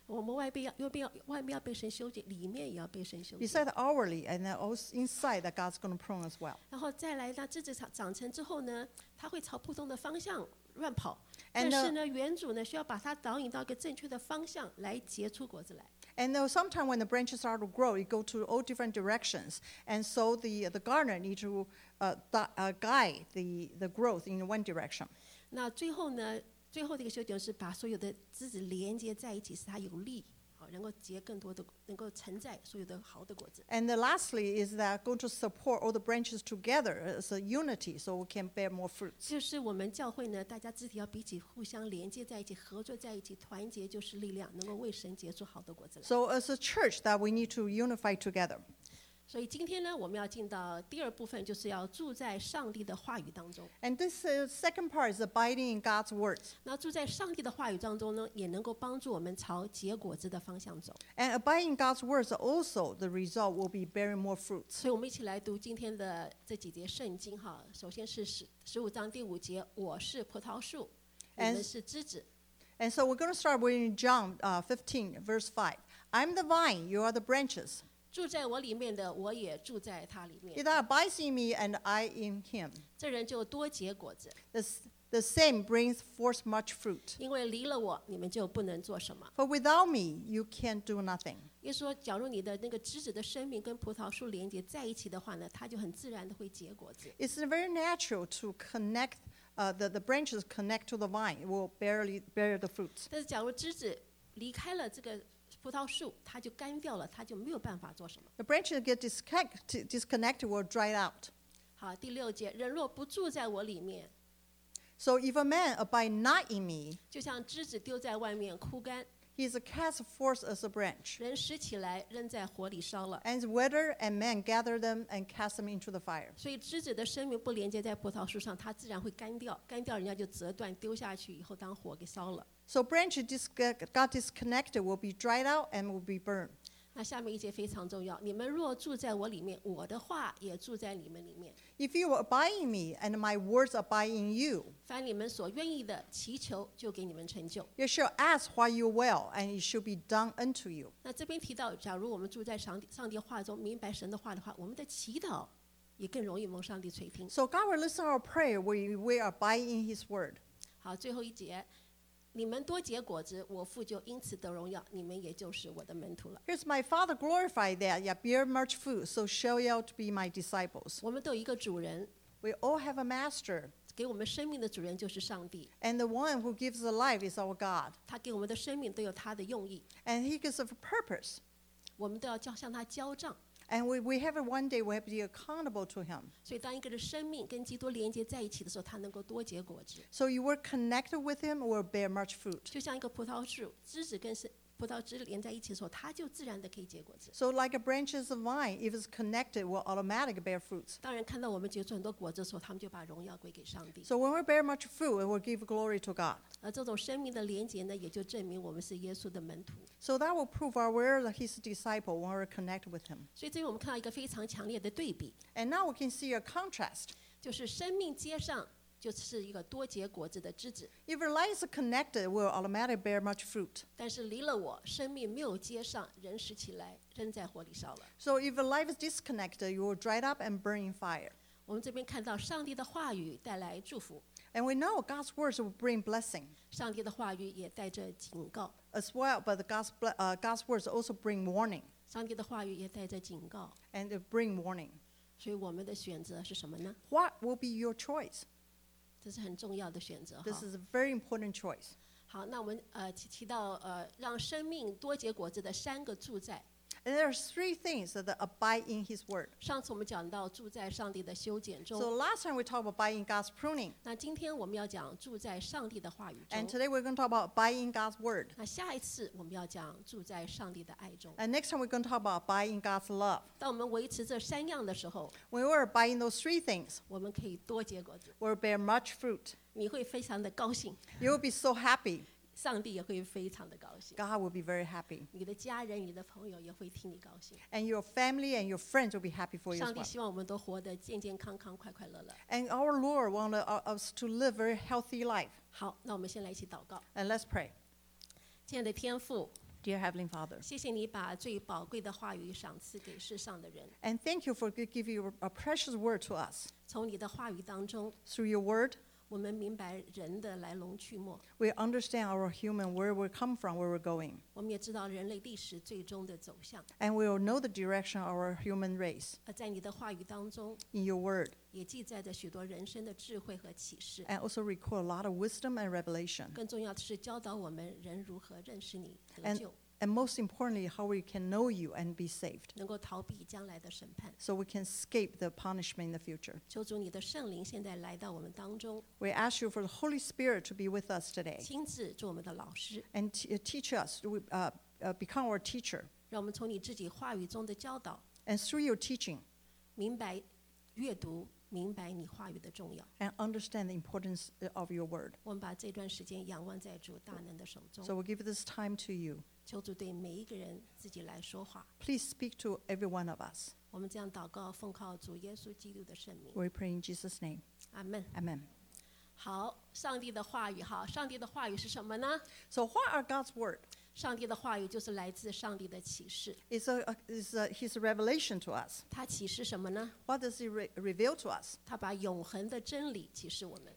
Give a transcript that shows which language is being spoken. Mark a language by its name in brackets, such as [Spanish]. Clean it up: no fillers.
[Chinese] 我们外面要被神修剪，里面也要被神修剪。 [English] Besides outwardly and also inside, that God's going to prune as well. [Chinese] 然后再来，那枝子长成之后呢，它会朝不同的方向乱跑。但是呢，园主呢需要把它导引到一个正确的方向，来结出果子来。 [English] And though sometimes when the branches start to grow, it goes to all different directions. And so the gardener needs to guide the growth in one direction. [Chinese] 那最后呢，最后的一个修剪是把所有的枝子连接在一起，使它有力，能够结更多的，能够承载所有的好的果子。 [English] And lastly is that going to support all the branches together as a unity, so we can bear more fruits. [Chinese] 就是我们教会呢，大家肢体要彼此互相连接在一起，合作在一起，团结就是力量，能够为神结出好的果子来。 [English] So as a church, that we need to unify together. [Chinese] 所以今天呢，我们要进到第二部分，就是要住在上帝的话语当中。 [English] And this second part is abiding in God's words. [Chinese] 那住在上帝的话语当中呢，也能够帮助我们朝结果子的方向走。 [English] And abiding in God's words also, the result will be bearing more fruits. [Chinese] 所以我们一起来读今天的这几节圣经哈。首先是15:5，我是葡萄树，你们是枝子。 [English] And so we're going to start with John 15:5. I'm the vine, you are the branches. [Chinese] 住在我里面的，我也住在他里面。 [English] It abides in me, and I in him. [Chinese] 这人就多结果子。 [English] The same brings forth much fruit. [Chinese] 因为离了我，你们就不能做什么。 [English] For without me, you can't do nothing. [Chinese] 耶稣说，假如你的那个枝子的生命跟葡萄树连接在一起的话呢，它就很自然的会结果子。 [English] It's very natural to connect, the branches connect to the vine. It will bear the fruits. [Chinese] 但是假如枝子离开了这个。葡萄树它就干掉了，它就没有办法做什么。 [English] The branches get disconnected or dry out. [Chinese] 好，第六节，人若不住在我里面 [English] ，So if a man abide not in me， [Chinese] 就像枝子丢在外面枯干 [English] ，He is cast forth as a branch。 [Chinese] 人拾起来扔在火里烧了 [English] ，And wither and man gather them and cast them into the fire。 [Chinese] 所以枝子的生命不连接在葡萄树上，它自然会干掉，干掉人家就折断丢下去，以后当火给烧了。 [English] So branch got disconnected will be dried out and will be burned. [Chinese] 那下面一节非常重要。你们若住在我里面，我的话也住在你们里面。 [English] If you abide in me and my words abide in you, [Chinese] 凡你们所愿意的，祈求就给你们成就。 [English] You shall ask what you will, and it shall be done unto you. [Chinese] 那这边提到，假如我们住在上帝话中，明白神的话的话，我们的祈祷也更容易蒙上帝垂听。 [English] So God will listen our prayer when we abide in His word. [Chinese] 好，最后一节。你们多结果子，我父就因此得荣耀，你们也就是我的门徒了。 [English] Here's my Father glorified that you bear much fruit, so shall you be my disciples. [Chinese] 我们都有一个主人。 [English] We all have a master. [Chinese] 给我们生命的主人就是上帝。 [English] And the one who gives the life is our God. [Chinese] 他给我们的生命都有他的用意。 [English] And he gives a purpose. [Chinese] 我们都要向他交账。 [English] And we have one day we have to be accountable to him. [Chinese] 所以当一个人生命跟基督连接在一起的时候，他能够多结果子。 [English] So you were connected with him will bear much fruit. [Chinese] 就像一个葡萄树，枝子跟葡萄枝连在一起的时候，它就自然的可以结果子。 [English] So like a branch is a vine, if it's connected, will automatically bear fruits. [Chinese] 当然，看到我们结出很多果子的时候，他们就把荣耀归给上帝。 [English] So when we bear much fruit, it will give glory to God. [Chinese] 而这种生命的连接呢，也就证明我们是耶稣的门徒。 [English] So that will prove our we're his disciple when we're connected with him. [Chinese] 所以这里我们看到一个非常强烈的对比。 [English] And now we can see a contrast. [Chinese] 就是生命街上。就是一个多结果子的枝子。 [English] If your life is connected, will automatically bear much fruit. [Chinese] 但是离了我，生命没有接上，仍拾起来，仍在火里烧了。 [English] So if your life is disconnected, you will dry up and burn in fire. [Chinese] 我们这边看到上帝的话语带来祝福。 [English] And we know God's words will bring blessing. [Chinese] 上帝的话语也带着警告。 [English] As well, but God's words also bring warning. [Chinese] 上帝的话语也带着警告。 [English] And it bring warning. [Chinese] 所以我们的选择是什么呢？ [English] What will be your choice? [Chinese] 这是很重要的选择。 [English] This is a very important choice. [Chinese] 好，那我们提到让生命多结果子的三个住在。 [English] And there are three things that abide in His word. [Chinese] 上次我们讲到住在上帝的修剪中。 [English] So last time we talked about abiding God's pruning. [Chinese] 那今天我们要讲住在上帝的话语中。 [English] And today we're going to talk about abiding God's word. [Chinese] 那下一次我们要讲住在上帝的爱中。 [English] And next time we're going to talk about abiding God's love. [Chinese] 当我们维持这三样的时候 [English] ，When we're abiding those three things, [Chinese] 我们可以多结果子。 [English] We'll bear much fruit. [Chinese] 你会非常的高兴。 [English] You'll be so happy. [Chinese] 上帝也会非常的高兴。 [English] God will be very happy. [Chinese] 你的家人、你的朋友也会替你高兴。 [English] And your family and your friends will be happy for you. [Chinese] 上帝希望我们都活得健健康康、快快乐乐。 [English] And our Lord wants us to live a very healthy life. [Chinese] 好，那我们先来一起祷告。 [English] And let's pray. [Chinese] 亲爱的天父。 [English] Dear Heavenly Father, [Chinese] 谢谢你把最宝贵的话语赏赐给世上的人。 [English] And thank you for giving you a precious word to us. [Chinese] 从你的话语当中。 [English] Through your word. [Chinese] 我们明白人的来龙去脉。 [English] We understand our human, where we come from, where we're going. [Chinese] 我们也知道人类历史最终的走向。 [English] And we will know the direction of our human race. [Chinese] 在你的话语当中。 [English] In your word. [Chinese] 也记载着许多人生的智慧和启示。 [English] And also record a lot of wisdom and revelation. [Chinese] 更重要的是教导我们人如何认识你得救。 [English] And most importantly, how we can know you and be saved. [Chinese] 能够逃避将来的审判。 [English] So we can escape the punishment in the future. [Chinese] 求主你的圣灵现在来到我们当中。 [English] We ask you for the Holy Spirit to be with us today. [Chinese] 亲自做我们的老师。 [English] And teach us, become our teacher. [Chinese] 让我们从你自己话语中的教导。 [English] And through your teaching. [Chinese] 明白阅读。明白你话语的重要 [English] and understand the importance of your word. [Chinese] 我们把这段时间仰望在主大能的手中。 [English] So we give this time to you. [Chinese] 求主对每一个人自己来说话。 [English] Please speak to every one of us. [Chinese] 我们这样祷告，奉靠主耶稣基督的圣名。 [English] We pray in Jesus' name. Amen. Amen. [Chinese] 好，上帝的话语哈，上帝的话语是什么呢 [English] ？So what are God's word? [Chinese] 上帝的话语就是来自上帝的启示。 [English] It's His revelation to us. [Chinese] 他启示什么呢 [English] ？What does He reveal to us? [Chinese] 他把永恒的真理启示我们。